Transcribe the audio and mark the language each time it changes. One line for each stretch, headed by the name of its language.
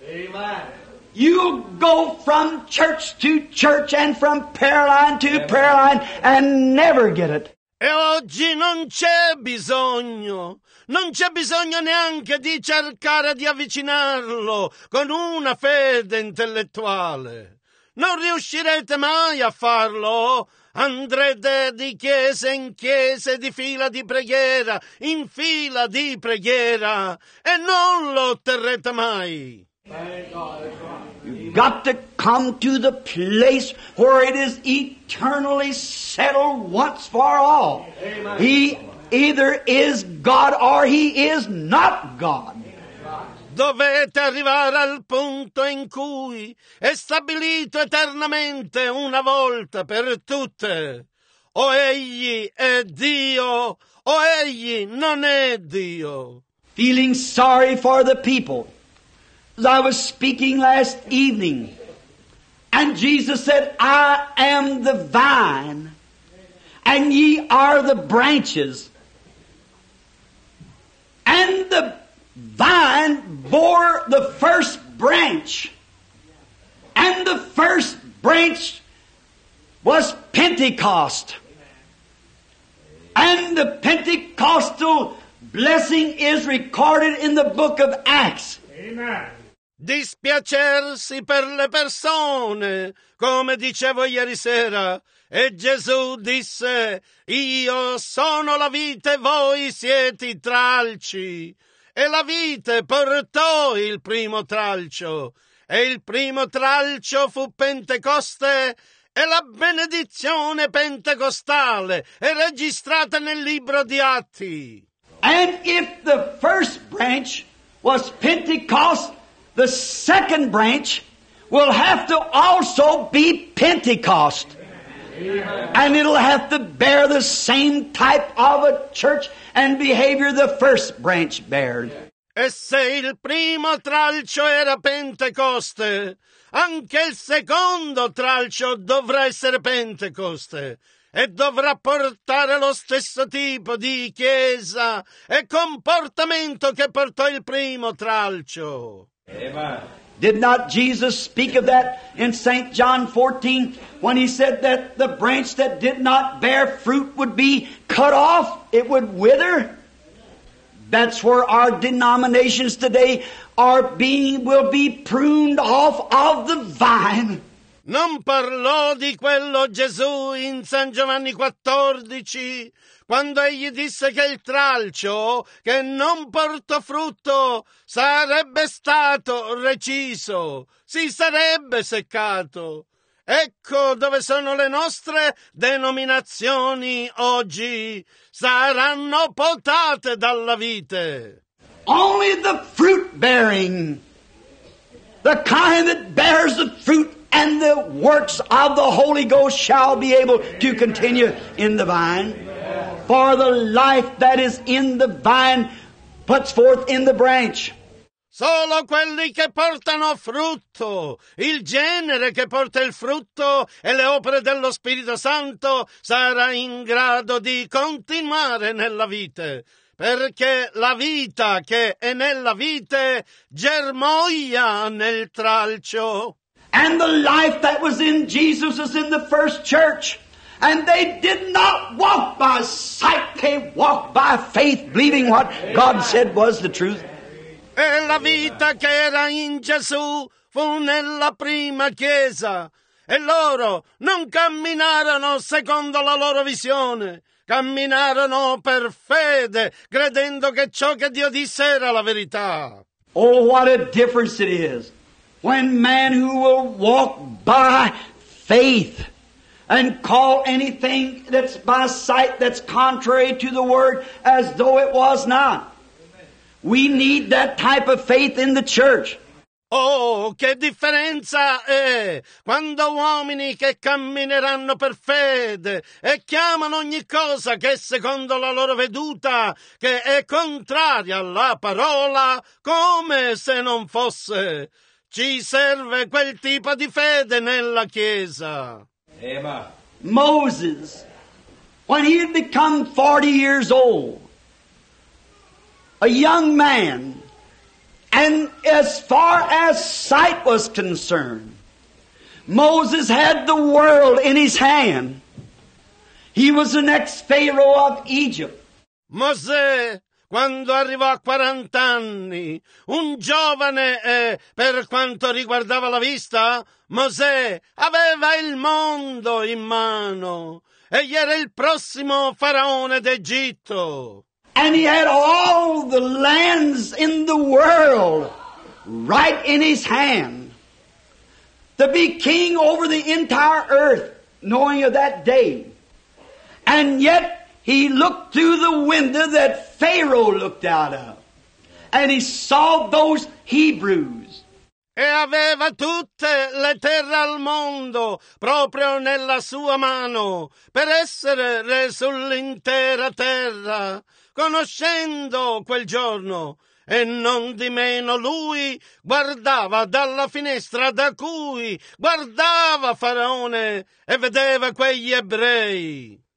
English: Amen. You'll go from church to church and from prayer line to prayer line and never get it.
Italian: E oggi non c'è bisogno. Non c'è bisogno neanche di cercare di avvicinarlo con una fede intellettuale. Non riuscirete mai a farlo. Andrete di chiesa in chiesa, di fila di preghiera in fila di preghiera, e non lo otterrete mai.
English: You've got to come to the place where it is eternally settled once for all. He either is God or he is not God.
Italian: Dovete arrivare al punto in cui è stabilito eternamente una volta per tutte. O egli è Dio, o egli non è Dio.
English: Feeling sorry for the people. I was speaking last evening, and Jesus said, I am the vine, and ye are the branches. And the vine bore the first branch, and the first branch was Pentecost. And the Pentecostal blessing is recorded in the book of Acts. Amen.
Italian: Dispiacersi per le persone, come dicevo ieri sera. E Gesù disse, io sono la vite, voi siete i tralci. E la vite portò il primo tralcio. E il primo tralcio fu Pentecoste, e la benedizione pentecostale è registrata nel libro di Atti.
English: And if the first branch was Pentecost, the second branch will have to also be Pentecost. And it'll have to bear the same type of a church and behavior the first branch bared.
Italian: E se il primo tralcio era Pentecoste, anche il secondo tralcio dovrà essere Pentecoste e dovrà portare lo stesso tipo di chiesa e comportamento che portò il primo tralcio.
English: Amen. Did not Jesus speak of that in St. John 14 when he said that the branch that did not bear fruit would be cut off? It would wither? That's where our denominations today will be pruned off of the vine.
Italian: Non parlò di quello Gesù in San Giovanni 14 quando egli disse che il tralcio che non portò frutto sarebbe stato reciso, si sarebbe seccato. Ecco dove sono le nostre denominazioni oggi, saranno potate dalla vite.
English: Only the fruit bearing, the kind that bears the fruit and the works of the Holy Ghost shall be able to continue in the vine. For the life that is in the vine puts forth in the branch.
Italian: Solo quelli che portano frutto, il genere che porta il frutto e le opere dello Spirito Santo sarà in grado di continuare nella vite. Perché la vita che è nella vite germoglia nel tralcio.
English: And the life that was in Jesus is in the first church. And they did not walk by sight, they walked by faith, believing what God said was the truth.
Italian: E la vita che era in Gesù fu nella prima chiesa. E loro non camminarono secondo la loro visione. Camminarono per fede, credendo che ciò che Dio disse era la verità.
English: Oh, what a difference it is when man who will walk by faith and call anything that's by sight that's contrary to the word as though it was not. We need that type of faith in the church.
Italian: Oh, che differenza è quando uomini che cammineranno per fede e chiamano ogni cosa che secondo la loro veduta che è contraria alla parola come se non fosse. Ci serve quel tipo di fede nella Chiesa. Eva.
English: Moses, when he had become 40 years old, a young man, and as far as sight was concerned, Moses had the world in his hand. He was the next Pharaoh of Egypt.
Italian: Mosè, quando arrivò a 40 anni, un giovane per quanto riguardava la vista, Mosè aveva il mondo in mano. Egli era il prossimo faraone d'Egitto.
English: And he had all the lands in the world right in his hand. To be king over the entire earth, knowing of that day. And yet he looked through the window that Pharaoh looked out of. And he saw those Hebrews.
Italian: E aveva tutte le terre al mondo proprio nella sua mano per essere re sull'intera terra. Conoscendo quel giorno, e non di meno lui guardava dalla finestra da cui guardava Faraone e vedeva quegli ebrei.